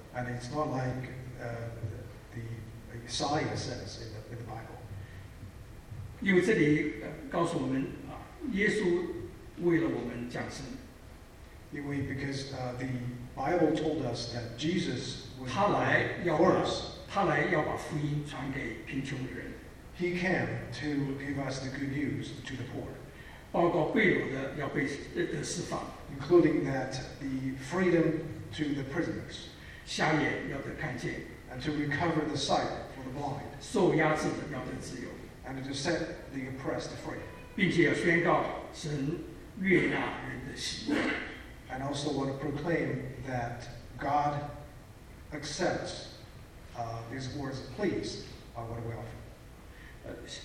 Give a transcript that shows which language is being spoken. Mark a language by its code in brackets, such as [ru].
[en] And it's not like the Isaiah says in the Bible. [zh] 因为这里告诉我们，耶稣为了我们降生。 [en] Because the Bible told us that Jesus was for us. [zh] 他来要把福音传给贫穷的人。 [en] He came to give us the good news to the poor. [zh] 包括贵有的要被得释放。 [en] Including that the freedom to the prisoners. [zh] 瞎眼要得看见。 [en] And to recover the sight for the blind. [zh] 受压制的要得自由。 [en] And to set the oppressed free. [zh] 并且要宣告神悦纳人的喜悦。 [en] And also want to proclaim that God accepts these words, please, by what we offer.